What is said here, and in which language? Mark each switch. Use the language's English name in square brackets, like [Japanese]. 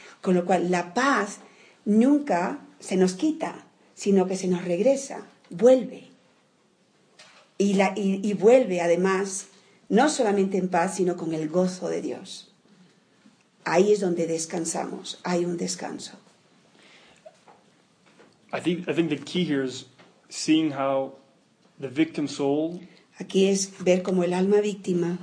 [Spanish] Con lo cual, la paz nunca se nos quita, sino que se nos regresa, vuelve. Y vuelve, además, no solamente en paz, sino con el gozo de Dios. Ahí es donde descansamos, hay un descanso. [English] I think the key here is seeing how the victim soul. [Spanish] Aquí es ver cómo el alma víctima